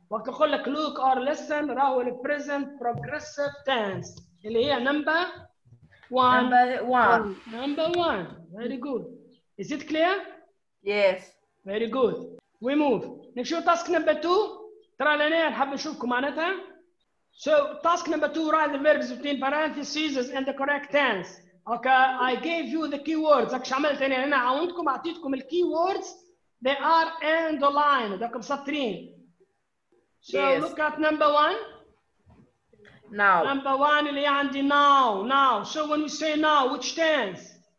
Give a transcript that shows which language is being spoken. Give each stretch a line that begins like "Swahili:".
Arabic: وقت نقول لك
English: look or listen
Arabic: راهو
English: present progressive tense. اللي هي number one. Very good. Is it clear? Yes. Very good. We move. نشوف task number two.
Arabic: ترى لنا نحب نشوفكم معناتها.
English: So task number two, write the verbs between parentheses and the correct tense. Okay, I gave you the keywords.
Arabic: اكش عملت انا هنا عاونتكم اعطيتكم الكيوردز.
English: They are in the line. They're coming. So yes. Look at number one. Now. Number one,
Arabic: اللي عندي
English: now. Now. So when we say now, which tense?